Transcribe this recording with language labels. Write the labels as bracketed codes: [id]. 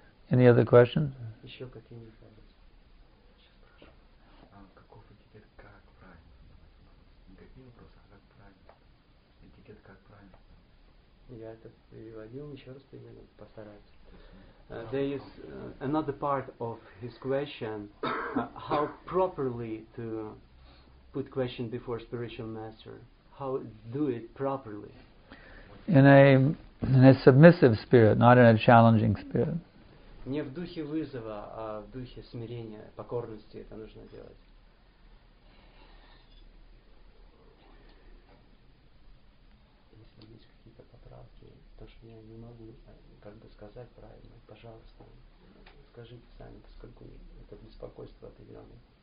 [en] Any other questions? [ru] Еще какие-нибудь вопросы? Сейчас спрашиваю. Каков этикет, как правильно? Какие вопросы, а как правильно? Этикет, как правильно? Я это переводил, еще раз примерно постараюсь. [en] There is another part of his question. How properly to put question before spiritual master? How do it properly? In a submissive spirit, not in a challenging spirit. [ru] Не в духе вызова, а в духе смирения, покорности это нужно делать. Если есть какие-то поправки, то, что я не могу как бы сказать правильно, пожалуйста, скажите сами, поскольку это беспокойство определенное.